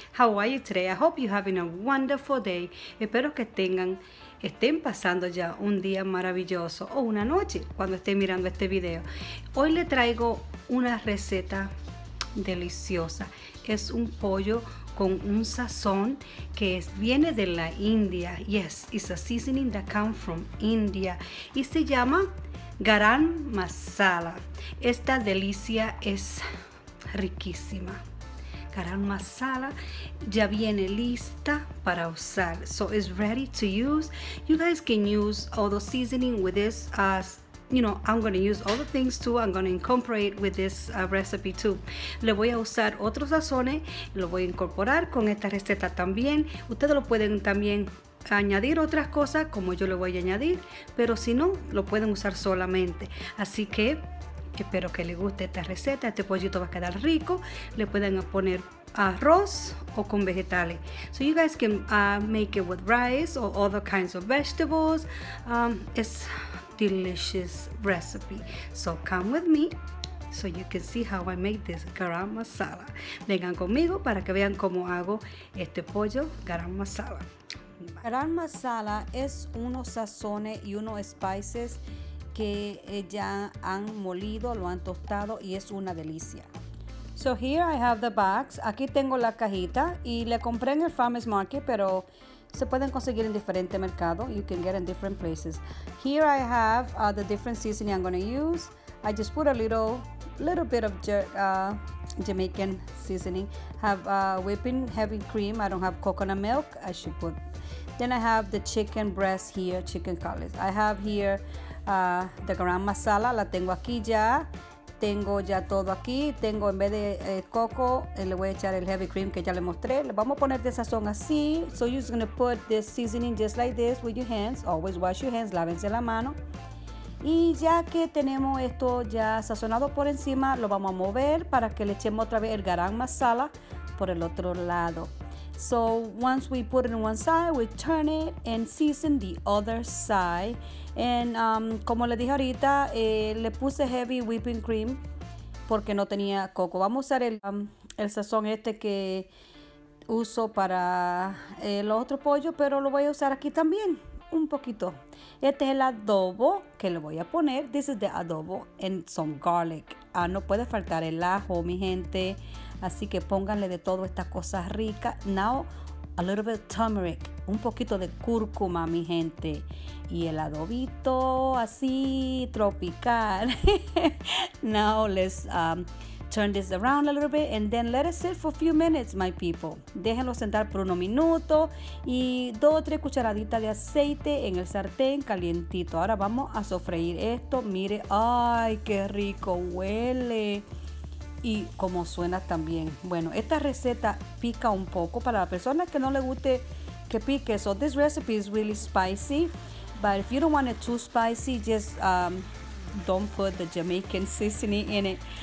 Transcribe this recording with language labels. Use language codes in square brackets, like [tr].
[en] How are you today? I hope you're having a wonderful day. [es] Espero que estén pasando ya un día maravilloso o una noche cuando estén mirando este video. Hoy le traigo una receta deliciosa. Es un pollo con un sazón que viene de la India. [en] Yes, it's a seasoning that comes from India. [es] Y se llama garam masala. Esta delicia es riquísima. Garam masala ya viene lista para usar. [en] So it's ready to use. You guys can use all the seasoning with this as, you know, I'm going to use all the things too. I'm going to incorporate with this recipe too. [es] Le voy a usar otros sazones. Lo voy a incorporar con esta receta también. Ustedes lo pueden también añadir otras cosas como yo le voy a añadir. Pero si no, lo pueden usar solamente. Así que espero que les guste esta receta. Este pollito va a quedar rico. Le pueden poner arroz o con vegetales. [en] So you guys can make it with rice or other kinds of vegetables. It's delicious recipe. So come with me so you can see how I make this garam masala. [es] Vengan conmigo para que vean cómo hago este pollo garam masala. Garam masala es unos sazones y unos spices que ya han molido, lo han tostado y es una delicia. [en] So here I have the box. [es] Aquí tengo la cajita y le compré en el Farmers Market, pero se pueden conseguir en diferentes mercados. [en] You can get in different places. Here I have the different seasoning I'm going to use. I just put a little bit of Jamaican seasoning. Have whipping heavy cream. I don't have coconut milk. I should put. Then I have the chicken breast here, chicken cutlets. I have here the garam masala. [es] La tengo aquí ya. Tengo ya todo aquí. Tengo en vez de coco, le voy a echar el heavy cream que ya le mostré. Le vamos a poner de sazón así. [en] So you're just going to put this seasoning just like this with your hands. Always wash your hands. [es] Lávense la mano. Y ya que tenemos esto ya sazonado por encima, lo vamos a mover para que le echemos otra vez el garam masala por el otro lado. [en] So once we put it on one side, we turn it and season the other side. [es] And como le dije ahorita, le puse heavy whipping cream porque no tenía coco. Vamos a usar el sazón este que uso para el otro pollo, pero lo voy a usar aquí también un poquito. Este es el adobo que le voy a poner. [en] This is the adobo and some garlic. [es] No puede faltar el ajo, mi gente. Así que pónganle de todo esta cosa rica. [en] Now, a little bit of turmeric. [es] Un poquito de cúrcuma, mi gente. Y el adobito así tropical. [en] Now, let's turn this around a little bit and then let it sit for a few minutes, my people. [es] Déjenlo sentar por unos minutos y dos o tres cucharaditas de aceite en el sartén calientito. Ahora vamos a sofreír esto. Mire, ay, qué rico huele. Y como suena también. Bueno, esta receta pica un poco para la persona que no le guste que pique. [en] So this recipe is really spicy, but if you don't want it too spicy, just don't put the Jamaican seasoning in it.